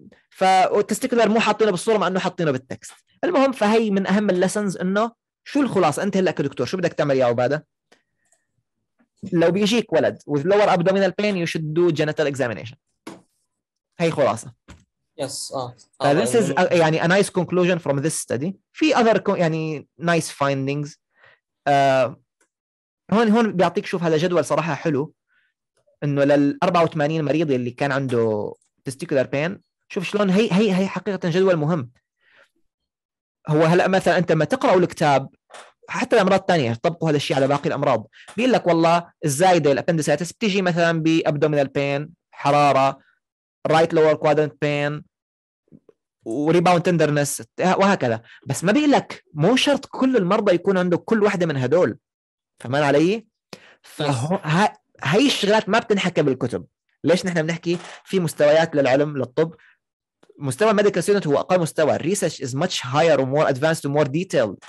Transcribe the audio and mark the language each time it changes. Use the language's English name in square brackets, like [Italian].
[Arabic] فالتستيكولر مو حاطينه بالصورة مع إنه حاطينه بالتكست. المهم فهي من أهم اللسنز، إنه شو الخلاصة؟ أنت هلأ كدكتور شو بدك تعمل يا عبادة؟ لو بيجيك ولد [English] with lower abdominal pain you should do genital examination. [Arabic] هاي خلاصة. [English] yes. This is a, يعني a nice conclusion from this study. في other يعني nice findings. [Arabic] هون بيعطيك، شوف هذا جدول صراحة حلو، إنه لل 84 مريض اللي كان عنده testicular pain، شوف شلون هي حقيقة جدول مهم. هو هلأ مثلا أنت ما تقرأ الكتاب، حتى الأمراض الثانية طبقوا هذا الشيء على باقي الأمراض، بيقول لك والله الزايدة الأبندساتس بتيجي مثلا بأبدومينال بين، حرارة، رايت لور كوادرنت بين، وريباوند تندرنس، وهكذا. بس ما بيقول لك مو شرط كل المرضى يكون عنده كل واحدة من هدول، فمان علي. فهي الشغلات ما بتنحكى بالكتب. ليش نحن بنحكي في مستويات للعلم للطب؟ مستوى medical student هو أقل مستوى، [English] research is much higher and more advanced and more detailed.